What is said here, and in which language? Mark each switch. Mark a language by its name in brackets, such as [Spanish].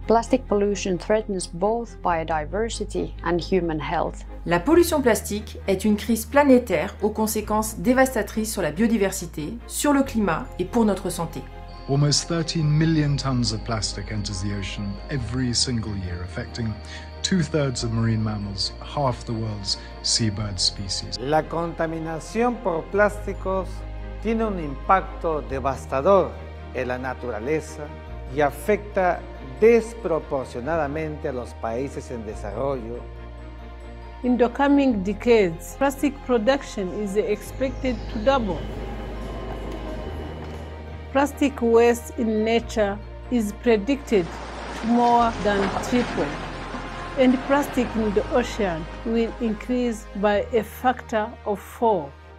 [English] Plastic pollution threatens both biodiversity and human health. [French] La pollution plastique est une crise planétaire aux conséquences dévastatrices sur la biodiversité, sur le climat et pour notre santé. [English] Almost 13 million tons of plastic enters the ocean every single year, affecting two-thirds of marine mammals, half the world's seabird species. [Spanish] La contaminación por plásticos tiene un impacto devastador en la naturaleza y afecta desproporcionadamente a los países en desarrollo. [English] In the coming decades, plastic production is expected to double. Plastic waste in nature is predicted to more than triple. And plastic in the ocean will increase by a factor of four.